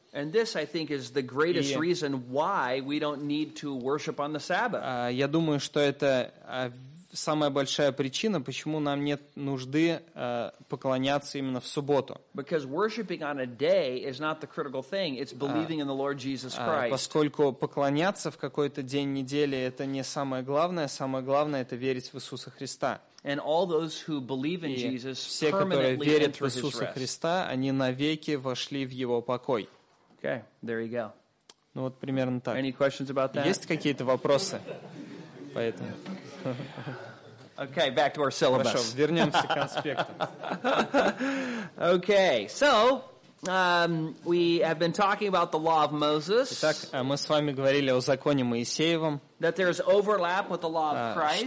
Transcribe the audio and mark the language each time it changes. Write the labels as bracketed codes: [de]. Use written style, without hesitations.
[en] And this, I think, is the greatest reason why we don't need to worship on the Sabbath. [ru] Я думаю, что это самая большая причина, почему нам нет нужды поклоняться именно в субботу. [en] Because worshiping on a day is not the critical thing, it's believing in the Lord Jesus Christ. [ru] Поскольку поклоняться в какой-то день недели — это не самое главное — это верить в Иисуса Христа. [en] And all those who believe in Jesus [ru] все, которые верят в Иисуса Христа, они навеки вошли в Его покой. [en] Okay, there you go. [ru] Вот примерно так. [en] Any questions about that? [ru] Есть какие-то вопросы? Поэтому... [en] Okay, back to our syllabus. [ru] Хорошо, вернемся к конспектам. [en] Okay, so we have been talking about the law of Moses. [ru] Итак, мы с вами говорили о законе Моисеевом. [en] That there is overlap with the law of Christ.